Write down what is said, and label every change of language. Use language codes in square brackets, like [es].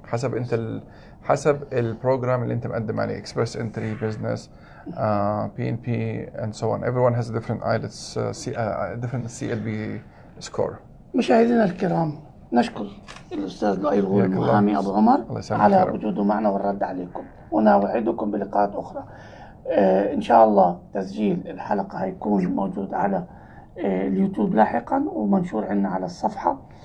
[ar] حسب أنت ال حسب البروجرام اللي أنت مقدم عليه. [en] Express Entry, Business, PNP and so on. Everyone has a different IELTS different CLB score. [ar] مشاهدينا الكرام، نشكر الأستاذ لؤي الغول المحامي أبو عمر على وجوده معنا والرد عليكم، ونوعدكم بلقاءات أخرى. إن شاء الله تسجيل الحلقة هيكون موجود على اليوتيوب لاحقا ومنشور عنا على الصفحة.